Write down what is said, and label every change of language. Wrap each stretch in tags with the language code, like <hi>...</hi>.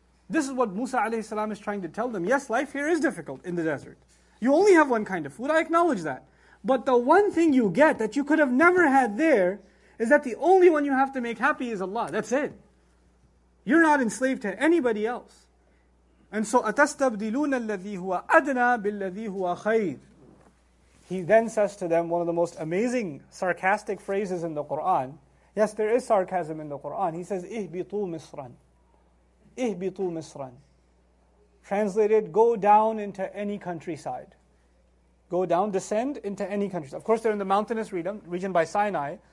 <en>This is what Musa alayhi salam is trying to tell them. Yes, life here is difficult in the desert. You only have one kind of food, I acknowledge that. But the one thing you get that you could have never had there is that the only one you have to make happy is Allah. That's it. You're not enslaved to anybody else. And so,</en> <ar>أَتَسْتَبْدِلُونَ الَّذِي هُوَ أَدْنَى بِالَّذِي هُوَ خَيْرٌ.</ar> <en>He then says to them one of the most amazing sarcastic phrases in the Qur'an. Yes, there is sarcasm in the Qur'an. He says,</en> <ar>اِهْبِطُوا مِصْرًا. اِهْبِطُوا مِصْرًا.</ar> <en>Translated, go down into any countryside. Go down, descend into any countryside. Of course, they're in the mountainous region by Sinai.</en>